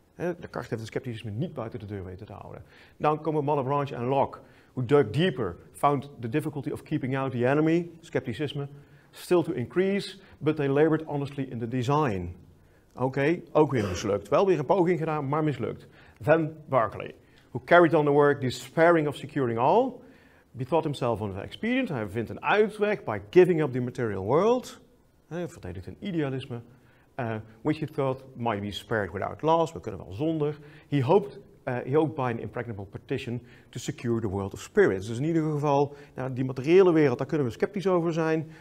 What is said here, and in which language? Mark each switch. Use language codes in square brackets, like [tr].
[nl] Descartes heeft het scepticisme niet buiten de deur weten te houden. Dan komen [en] Malebranche en Locke, who dug deeper, found the difficulty of keeping out the enemy, scepticisme, still to increase, but they labored honestly in the design. [nl] Okay, ook weer mislukt. Wel weer een poging gedaan, maar mislukt. [en] Then Berkeley, who carried on the work, despairing of securing all, bethought himself of an expedient. [nl] Hij vindt een uitweg [en] by giving up the material world. [nl] Hij verdedigt een idealisme, [en] which he thought might be spared without loss. [nl] We kunnen wel zonder. [en] He hoped by an impregnable partition to secure the world of spirits. [nl] Dus in ieder geval, nou, die materiële wereld, daar kunnen we sceptisch over zijn.